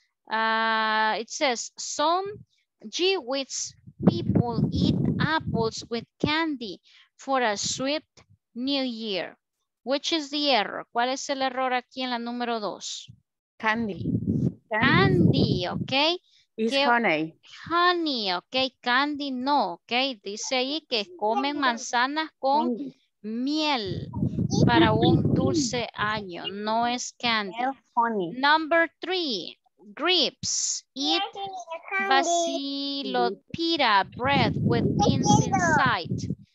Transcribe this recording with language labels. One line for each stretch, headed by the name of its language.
English: It says, some Jewish people eat apples with candy for a sweet New Year. Which is the error?
Spanish: ¿Cuál es el error aquí en la número dos?
English: Candy. Candy, ok. It's honey. Honey, ok. Candy, no.
Spanish: Ok, dice ahí que comen manzanas con... candy. Miel para un dulce año, no es candy.
English: Number three, grapes eat basilopita bread with beans inside.